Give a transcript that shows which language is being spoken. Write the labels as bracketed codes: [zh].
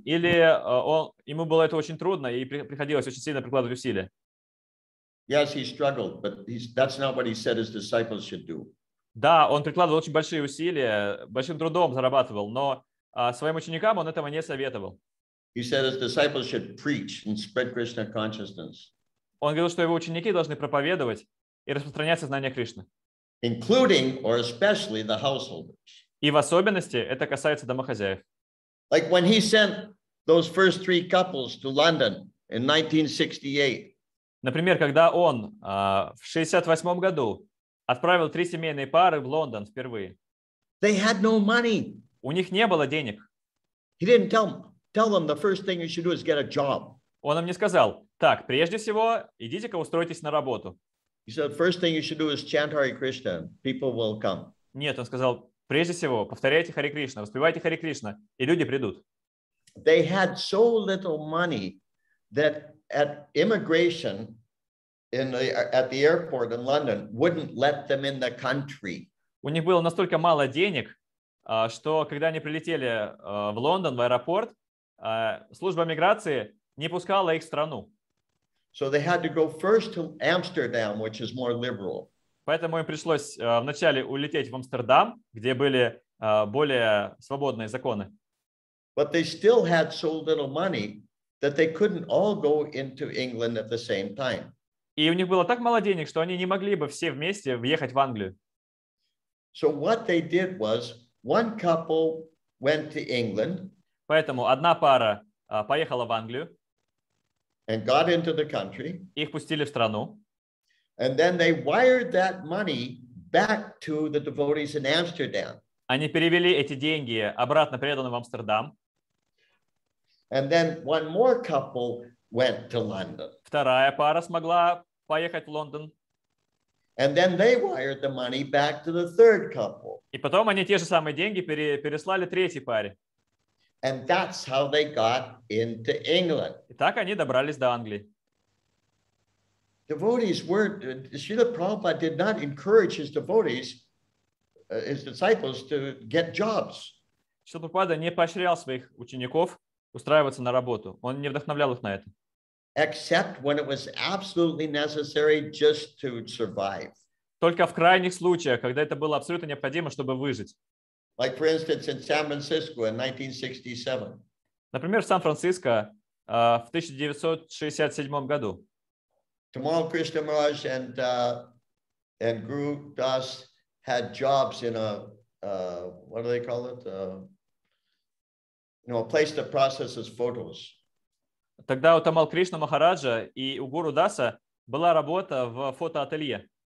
[ru] Или ему было это очень трудно и приходилось очень сильно прикладывать усилия? [en] Yes, he struggled, but that's not what he said his disciples should do. [ru] Да, он прикладывал очень большие усилия, большим трудом зарабатывал, но своим ученикам он этого не советовал. [en] He said his disciples should preach and spread Krishna consciousness. [ru] Он говорил, что его ученики должны проповедовать и распространять сознание Кришны. [en] Including or especially the householders. [ru] И в особенности это касается домохозяев. [en] Like when he sent those first three couples to London in 1968. [ru] Например, когда он в 68 году отправил 3 семейные пары в Лондон впервые. [en] They had no money. [ru] У них не было денег. [en] He didn't tell them the first thing you should do is get a job. [ru] Он им не сказал: так, прежде всего, идите-ка устройтесь на работу. [en] He said, first thing you should do is chant Hare Krishna. People will come. [ru] Нет, он сказал: прежде всего, повторяйте Hare Krishna, воспевайте Hare Krishna, и люди придут. [en] They had so little money that at immigration at the airport in London wouldn't let them in the country. [ru] У них было настолько мало денег, что когда они прилетели в Лондон в аэропорт, служба миграции не пускала их в страну. [en] So they had to go first to Amsterdam, which is more liberal. [ru] Поэтому им пришлось вначале улететь в Амстердам, где были более свободные законы. [en] But they still had so little money that they couldn't all go into England at the same time. [ru] И у них было так мало денег, что они не могли бы все вместе въехать в Англию. [en] So what they did was one couple went to England. [ru] Поэтому одна пара поехала в Англию. [en] And got into the country. [ru] Их пустили в страну. [en] And then they wired that money back to the devotees in Amsterdam. [ru] Они перевели эти деньги обратно преданным в Амстердам. [en] And then one more couple went to London. [ru] Вторая пара смогла поехать в Лондон. [en] And then they wired the money back to the third couple. [ru] И потом они те же самые деньги переслали третьей паре. [en] And that's how they got into England. [ru] И так они добрались до Англии. [en] Devotees were, Srila Prabhupada did not encourage his devotees, his disciples, to get jobs. [ru] Srila Prabhupada не поощрял своих учеников устраиваться на работу. Он не вдохновлял их на это. [en] Except when it was absolutely necessary just to survive. [ru] Только в крайних случаях, когда это было абсолютно необходимо, чтобы выжить. [en] Like, for instance, in San Francisco in 1967. [ru] Например, в Сан-Франциско в 1967 году. [en] Tamal Krishna Maharaj and Guru Das had jobs in a what do they call it? A place that processes photos. [ru] Тогда у Tamal Krishna Maharaja и у Guru Dasa была работа в фотоателье.